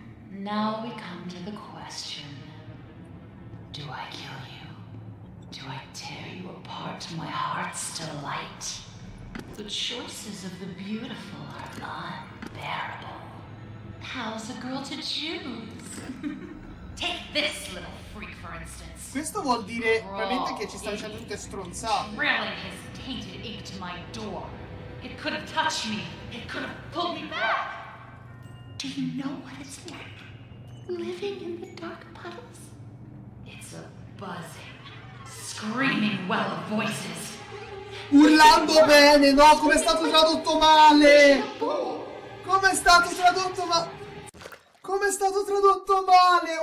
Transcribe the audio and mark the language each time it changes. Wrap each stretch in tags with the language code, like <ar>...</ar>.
<en>Now we come to the question. Do I kill you? Do I tear you apart to my heart's delight? The choices of the beautiful are unbearable. How's a girl to choose? Take this little freak for instance.</en> <it>Questo vuol dire veramente che ci sta dicendo tutte stronzate.</it> <en>Really has tainted ink to my door. It could have touched me. It could have pulled me back. Do you know what it's like? Living in the dark puddles? It's a buzzing, screaming well of voices.</en> <it>Urlando bene, no? Come è stato tradotto male? Come è stato tradotto male? Come è stato tradotto male?</it>